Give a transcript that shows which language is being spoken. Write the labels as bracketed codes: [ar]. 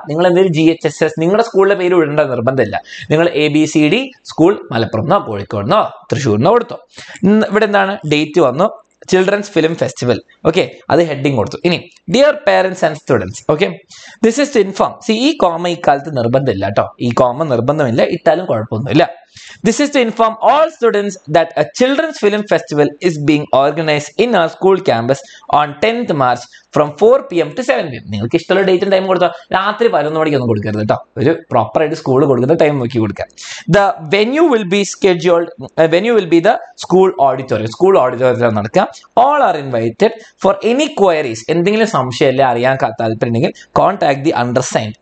[ml] നിങ്ങൾ എന്തെങ്കിലും GHSS നിങ്ങളുടെ സ്കൂളിലെ പേര് ഇടേണ്ട നിർബന്ധമില്ല. നിങ്ങൾ ABCD സ്കൂൾ മലപ്പുറംന്നോ കോഴിക്കോടിനോ തൃശ്ശൂരിനോ കൊടുത്തോ. ഇവിടെ എന്താണ് ഡേറ്റ് വന്നു, ചിൽഡ്രൻസ് ഫിലിം ഫെസ്റ്റിവൽ. ഓക്കെ, അത് ഹെഡിങ് കൊടുത്തു. [en] ഇനി dear parents and students, okay, this is to inform. [ml] C, ഈ കോമ ഇക്കാലത്ത് നിർബന്ധമില്ല കേട്ടോ, ഈ കോമ നിർബന്ധമില്ല, ഇട്ടാലും കുഴപ്പമൊന്നുമില്ല. [en] This is to inform all students that a children's film festival is being organized in our school campus on 10th March from 4 PM to 7 PM. [ml] നിങ്ങൾക്ക് ഇഷ്ടമുള്ള ഡേറ്റും ടൈം കൊടുത്താൽ, രാത്രി 11 മണിക്ക് ഒന്നും കൊടുക്കരുത് കേട്ടോ, ഒരു പ്രോപ്പർ ആയിട്ട് സ്കൂളിൽ കൊടുക്കുന്ന ടൈം നോക്കി കൊടുക്കാം. [en] The venue will be scheduled, venue will be the school auditorium. [ml] School ഓഡിറ്റോറിയത്തിൽ നടക്കാം. [en] All are invited for any queries. [ml] എന്തെങ്കിലും സംശയം അല്ലെ, അറിയാൻ താല്പര്യമുണ്ടെങ്കിൽ [en] Contact the undersigned.